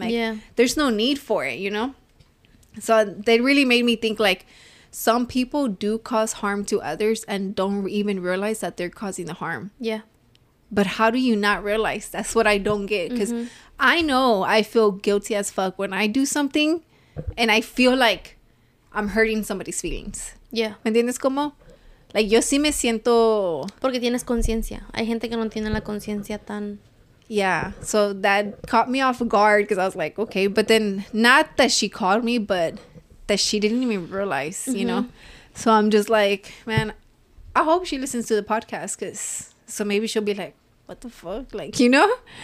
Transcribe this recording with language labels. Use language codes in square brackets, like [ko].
[en] Like, yeah, there's no need for it, you know. So they really made me think, like, some people do cause harm to others and don't even realize that they're causing the harm. Yeah. But how do you not realize? That's what I don't get. Because mm-hmm. I know I feel guilty as fuck when I do something and I feel like I'm hurting somebody's feelings. Yeah. [es] ¿Me entiendes cómo? Like, yo sí me siento... Porque tienes conciencia. Hay gente que no tiene la conciencia tan... [en] Yeah, so that caught me off guard, because I was like, okay. But then, not that she called me, but that she didn't even realize, mm-hmm. you know? So I'm just like, man, I hope she listens to the podcast, because so maybe she'll be like, what the fuck? Like, you know?